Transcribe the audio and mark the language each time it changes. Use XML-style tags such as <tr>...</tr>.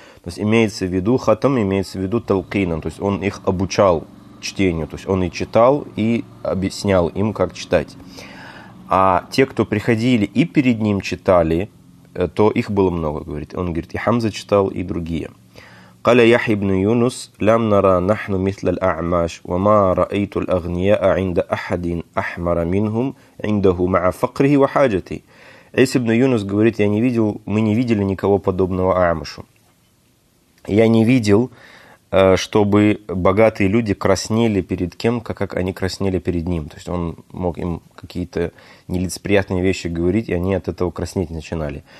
<ru>То есть имеется в виду, хатам имеется в виду талкинан, то есть он их обучал чтению, то есть он и читал, и объяснял им, как читать. А те, кто приходили и перед ним читали, то их было много, говорит. Он говорит, и Хамза читал, и другие.</ru> <ar>قال يحيى بن يونس لم نرى نحن مثل الأعمش وما رأيت الأغنياء عند أحد أحمر منهم عنده مع فقره وحاجته.</ar> <ru>عيسى بن يونس говорит, я не видел, мы не видели никого подобного Амашу. Я не видел, чтобы богатые люди краснели перед кем-то, как они краснели перед ним. То есть он мог им какие-то нелицеприятные вещи говорить, и они от этого краснеть начинали.</ru>